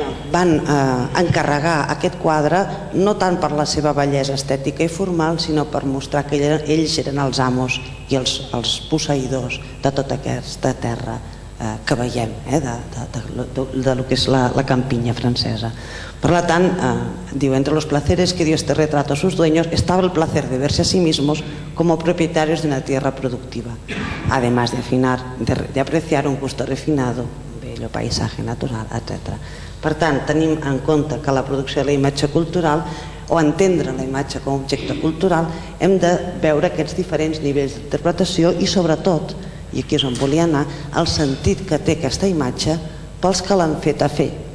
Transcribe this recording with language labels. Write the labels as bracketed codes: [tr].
[ca] van encarregar aquest quadre no tant per la seva bellesa estètica i formal sinó per mostrar que ells eren els amos i els posseïdors de tota aquesta terra que veiem, de lo que és la campiña francesa. Per la tant, diu, [es] entre los placeres que dio este retrato a sus dueños estaba el placer de verse a sí mismos como propietarios de una tierra productiva, además de apreciar un gusto refinado, un bello paisaje natural, etc. [ca] Per tant, tenim en compte que la producció de la imatge cultural o entendre la imatge com a objecte cultural, hem de veure aquests diferents nivells d'interpretació i sobretot, i aquí és on volia anar, el sentit que té aquesta imatge pels que l'han fet a fer.